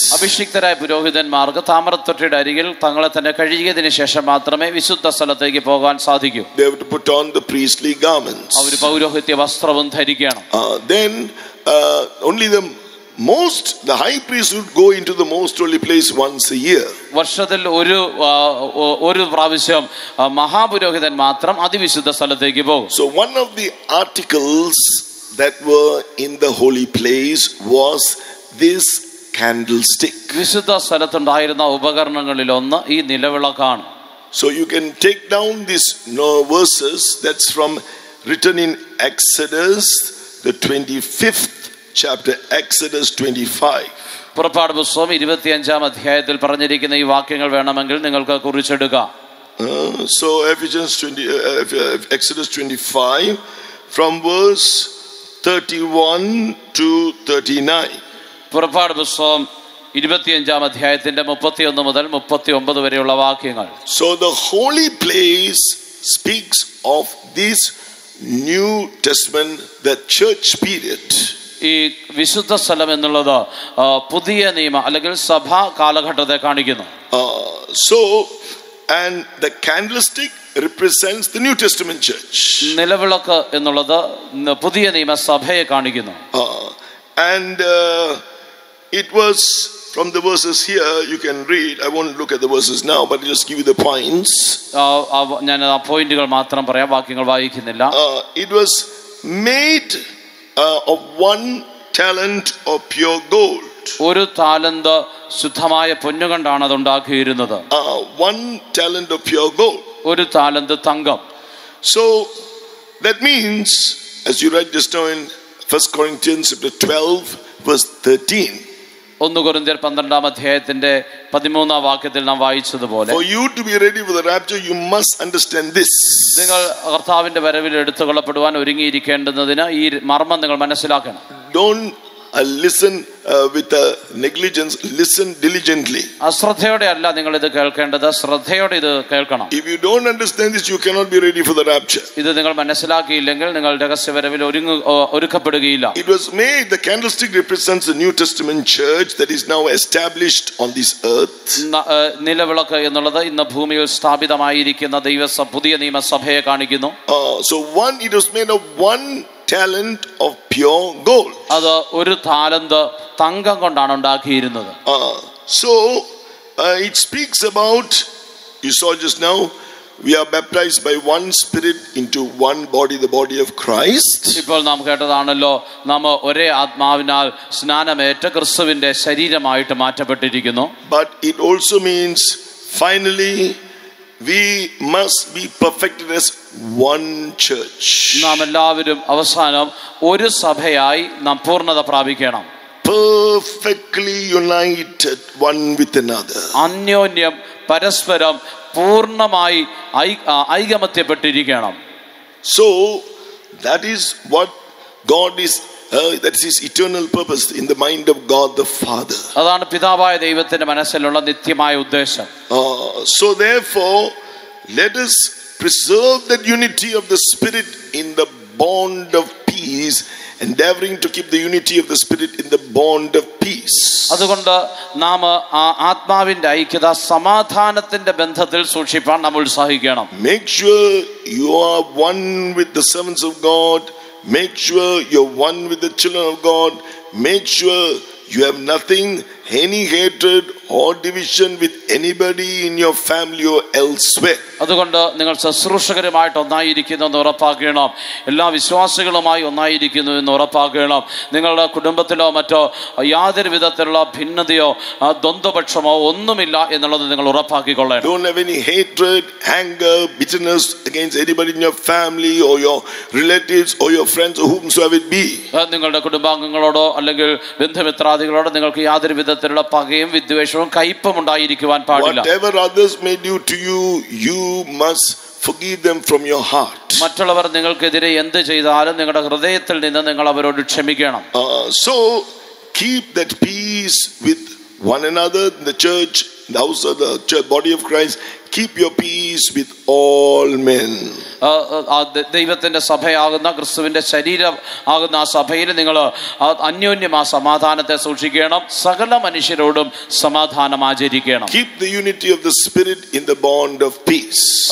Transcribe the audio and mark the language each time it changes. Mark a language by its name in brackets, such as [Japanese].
[Malayalam] അഭിഷിക്തരായ പുരോഹിതന്മാർക്ക് താമരത്തൊട്ടിയുടെ അരികിൽ തങ്ങളെ തന്നെ കഴുകിയതിനു ശേഷം മാത്രമേ വിശുദ്ധ സ്ഥലത്തേക്ക് പോകാൻ സാധിക്കൂ. [English] They would put on the priestly garments. [Malayalam] അവർ പൗരോഹിത്യ വസ്ത്രവും ധരിക്കണം. [English] Then only them most the high priest would go into the most holy place once a year. [Malayalam] വർഷത്തിൽ ഒരു പ്രാവശ്യം മഹാപുരോഹിതൻ മാത്രം അതിവിശുദ്ധ സ്ഥലത്തേക്ക് പോകും. [English] So one of the articles that were in the holy place was this candlestick. [Malayalam] വിശുദ്ധ സ്ഥലത്തുണ്ടായിരുന്ന ഉപകരണങ്ങളിൽ ഒന്ന് ഈ നിലവിളക്കാണ്. [English] So you can take down this verses that's from written in Exodus the 25th chapter, Exodus 25. [Malayalam] പുറപ്പാട് പുസ്തകം 25-ാം അധ്യായത്തിൽ പറഞ്ഞിരിക്കുന്ന ഈ വാക്യങ്ങൾ വേണമെങ്കിൽ നിങ്ങൾക്ക് കുറിച്ചെടുക്ക. [English] So Ephesians 20, Exodus 25 from verse 31 to 39. [Malayalam] പുറപ്പാട് പുസ്തകം 25-ാം അധ്യായത്തിന്റെ 31 മുതൽ 39 വരെയുള്ള വാക്യങ്ങൾ. [English] So the holy place speaks of this new testament, the church period. [Malayalam] ഈ വിശുദ്ധ സ്ഥലം എന്നുള്ളത് പുതിയ നിയമ അല്ലെങ്കിൽ സഭാ കാലഘട്ടത്തെ കാണിക്കുന്നു. [English] So and the candlestick represents the new testament church. [Malayalam] നിലവിളക്ക് എന്നുള്ളത് പുതിയ നിയമ സഭയെ കാണിക്കുന്നു. [English] It was from the verses here you can read. I won't look at the verses now, but I'll just give you the points. [Malayalam] ഞാൻ ആ പോയിന്റുകൾ മാത്രം പറയാം, വാക്യങ്ങൾ വായിക്കുന്നില്ല. [English] It was made of one talent of pure gold. [Malayalam] ഒരു താലന്ത് ശുദ്ധമായ പൊന്നു കൊണ്ടാണ് അത് ഉണ്ടാക്കിയിരുന്നത്. [English] One talent of pure gold. [Malayalam] ഒരു താലന്ത് തങ്കം. [English] So that means, as you read just now in 1 Corinthians chapter 12 verse 13, [Malayalam] 1 കൊരിന്ത്യർ 12-ാം അധ്യായത്തിന്റെ 13-ാം വാക്യത്തിൽ നാം വായിച്ചതുപോലെ, [English] for you to be ready for the rapture you must understand this. [Malayalam] നിങ്ങൾ കർത്താവിന്റെ വരവിൽ എടുത്തുകൊള്ളപ്പെടുവാൻ ഒരുങ്ങിയിരിക്കേണ്ടതിന് ഈ മർമ്മം നിങ്ങൾ മനസ്സിലാക്കണം. [English] Don't listen with a negligence, listen diligently. [Malayalam] അശ്രദ്ധയോടെ അല്ല നിങ്ങൾ ഇത് കേൾക്കേണ്ടത്, ശ്രദ്ധയോടെ ഇത് കേൾക്കണം. [English] If you don't understand this you cannot be ready for the rapture. [Malayalam] ഇത് നിങ്ങൾ മനസ്സിലാക്കിയില്ലെങ്കിൽ നിങ്ങൾ രഹസ്യ വരവിൽ ഒരുക്കപ്പെടുകയില്ല. [English] It was made, the candlestick represents the new testament church that is now established on this earth. [Malayalam] നിലവിളക്ക് എന്നുള്ളത് ഇന്ന് ഭൂമിയിൽ സ്ഥാപിതമായിരിക്കുന്ന ദൈവസഭ പുതിയ നിയമസഭയെ കാണിക്കുന്നു. [English] So one, it was made of one talent of pure gold. [Malayalam] അത് ഒരു താലന്ത് തങ്കം കൊണ്ടാണ് ഉണ്ടാക്കിയിരുന്നത്. [English] So it speaks about, you saw just now, we are baptized by one spirit into one body, the body of Christ. [Malayalam] ഇപ്പോൾ നാം കേട്ടതാണല്ലോ, നാം ഒരേ ആത്മാവിനാൽ സ്നാനമേറ്റ ക്രിസ്തുവിന്റെ ശരീരമായിട്ട് മാറ്റപ്പെട്ടിരിക്കുന്നു. [English] But it also means finally we must be perfected as one church. [Malayalam] നാം എല്ലാവരും അവസാനം ഒരു സഭയായി നാം പൂർണ്ണത പ്രാപിക്കണം. [English] Perfectly united one with another. [Malayalam] അന്യോന്യം പരസ്പരം പൂർണ്ണമായി ഐകമത്യപ്പെട്ടിരിക്കണം. [English] So that is what God is that is eternal purpose in the mind of God the Father. [Malayalam] അതാണ് പിതാവായ ദൈവത്തിന്റെ മനസ്സിലുള്ള നിത്യമായ ഉദ്ദേശം. [English] So therefore let us preserve that unity of the spirit in the bond of peace, endeavoring to keep the unity of the spirit in the bond of peace. [Malayalam] അതുകൊണ്ട് നാം ആ ആത്മാവിന്റെ ഐക്യത സമാധാനത്തിന്റെ ബന്ധത്തിൽ സൂക്ഷിക്കാൻ നമ്മൾ ഉത്സാഹിക്കണം. [English] Make sure you are one with the servants of God. Make sure you're one with the children of God. Make sure you have nothing, any hatred or division with anybody in your family or elsewhere. [Malayalam] അതുകൊണ്ട് നിങ്ങൾ ശുശ്രൂഷകരുമായിട്ട് ഒന്നായിരിക്കുന്നു എന്ന് ഉറപ്പാക്കണം. എല്ലാ വിശ്വാസികളുമായി ഒന്നായിരിക്കുന്നു എന്ന് ഉറപ്പാക്കണം. നിങ്ങളുടെ കുടുംബത്തിലോ മറ്റോ യാതൊരു വിധത്തിലുള്ള ഭിന്നതയോ ദ്വന്ദ്വപക്ഷമോ ഒന്നുമില്ല എന്നുള്ളത് നിങ്ങൾ ഉറപ്പാക്കിക്കൊള്ളണം. [English] Don't have any hatred, anger, bitterness against anybody in your family or your relatives or your friends or whomsoever it be. [Malayalam] നിങ്ങളുടെ കുടുംബാംഗങ്ങളോടോ അല്ലെങ്കിൽ ബന്ധുമിത്രാദികളോടോ നിങ്ങൾക്ക് യാതൊരു വിധത്തിലുള്ള പകയും വിദ്വേഷവും കയ്പും ഉണ്ടായിരിക്കുവാൻ പാടില്ല. [English] Whatever others may do to you, you must forgive them from your heart. [Malayalam] മറ്റുള്ളവർ നിങ്ങൾക്കെതിരെ എന്ത് ചെയ്താലും നിങ്ങളുടെ ഹൃദയത്തിൽ നിന്ന് നിങ്ങൾ അവരോട് ക്ഷമിക്കണം. [English] So keep that peace with one another in the church, the house of the church, body of Christ. Keep your peace with all men. [Malayalam] ദൈവത്തിന്റെ സഭയാകുന്ന ക്രിസ്തുവിന്റെ ശരീരം ആകുന്ന ആ സഭയിൽ നിങ്ങൾ അന്യോന്യം ആ സമാധാനത്തെ സൂക്ഷിക്കണം. സകല മനുഷ്യരോടും സമാധാനം ആചരിക്കണം. [English] Keep the unity of the spirit in the bond of peace.